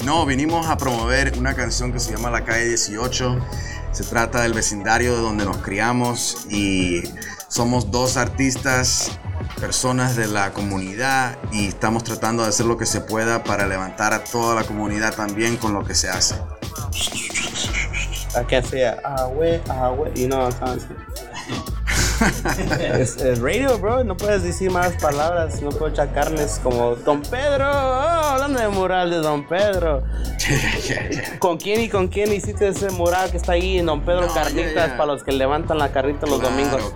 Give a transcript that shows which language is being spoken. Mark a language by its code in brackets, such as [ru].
[es] No, vinimos a promover una canción que se llama La Calle 18. Se trata del vecindario de donde nos criamos y somos dos artistas, personas de la comunidad, y estamos tratando de hacer lo que se pueda para levantar a toda la comunidad también con lo que se hace. [en] I can't say you know what I'm saying. [es] Es radio, bro, no puedes decir malas palabras, no puedo echar carnes como Don Pedro. Oh, hablando de mural de Don Pedro. ¿Con quién hiciste ese mural que está ahí en Don Pedro? No, carnitas, para los que levantan la carrita los domingos.